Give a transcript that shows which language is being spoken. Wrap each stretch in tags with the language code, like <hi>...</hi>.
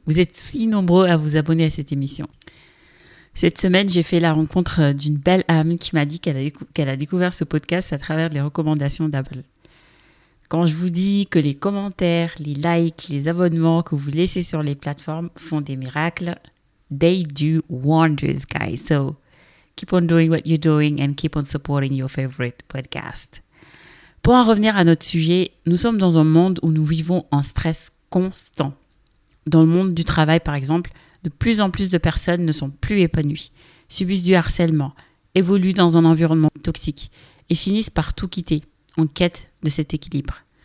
<fr>Vous êtes si nombreux à vous abonner à cette émission. Cette semaine, j'ai fait la rencontre d'une belle âme qui m'a dit qu'elle a découvert ce podcast à travers les recommandations d'Apple. Quand je vous dis que les commentaires, les likes, les abonnements que vous laissez sur les plateformes font des miracles,</fr> <en>they do wonders, guys. So, keep on doing what you're doing and keep on supporting your favorite podcast.</en> <fr>Pour en revenir à notre sujet, nous sommes dans un monde où nous vivons en stress constant. Dans le monde du travail, par exemple, de plus en plus de personnes ne sont plus épanouies, subissent du harcèlement, évoluent dans un environnement toxique et finissent par tout quitter en quête de cet équilibre.</fr>